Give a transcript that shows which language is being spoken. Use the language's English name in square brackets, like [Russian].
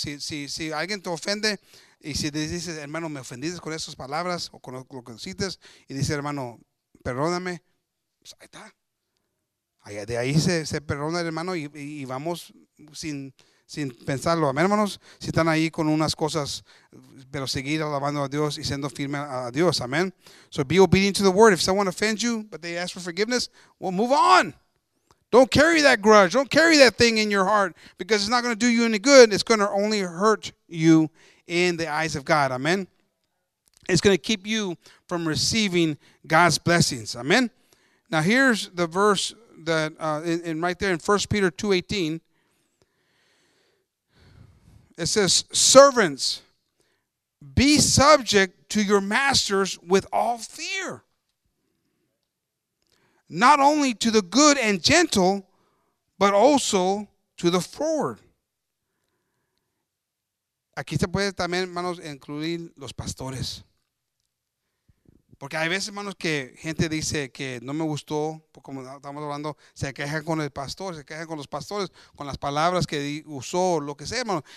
[Spanish] Si alguien te ofende, y si dices, hermano, me ofendiste con esas palabras, o con lo que dices, y dices, hermano, perdóname, pues ahí está. Allá, de ahí se perdona el hermano y vamos sin pensarlo. Amén, hermanos. Si están ahí con unas cosas, pero seguir alabando a Dios y siendo firme a Dios. [English] Amén. So be obedient to the word. If someone offends you, but they ask for forgiveness, well, move on. Don't carry that grudge. Don't carry that thing in your heart because it's not going to do you any good. It's going to only hurt you in the eyes of God. Amén. It's going to keep you from receiving God's blessings. Amén. Now here's the verse that in right there in 1 Peter 2:18. It says, servants, be subject to your masters with all fear. Not only to the good and gentle, but also to the forward. [Spanish] Aquí se puede también, hermanos, incluir los pastores. Porque hay veces, hermanos, que gente dice que no me gustó, como estamos hablando, se quejan con el pastor, se quejan con los pastores, con las palabras que usó, lo que sea, hermanos.